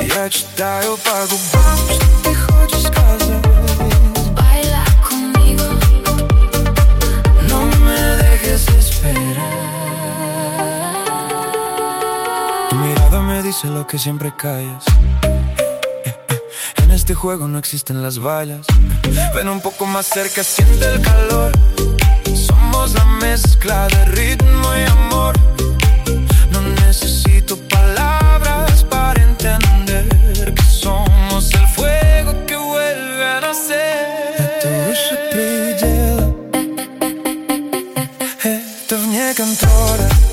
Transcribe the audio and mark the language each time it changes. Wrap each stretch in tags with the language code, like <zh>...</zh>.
<ru>Читаю по губам, что ты хочешь сказать.</ru> <es>Baila conmigo. No me dejes esperar. Tu mirada me dice lo que siempre callas. En este juego no existen las vallas. Ven un poco más cerca, siente el calor. Somos la mezcla de ritmo y amor. No necesito palabras para entender. Somos el fuego que vuelve a nacer.</es> <ru>Это выше предела, это вне контроля.</ru>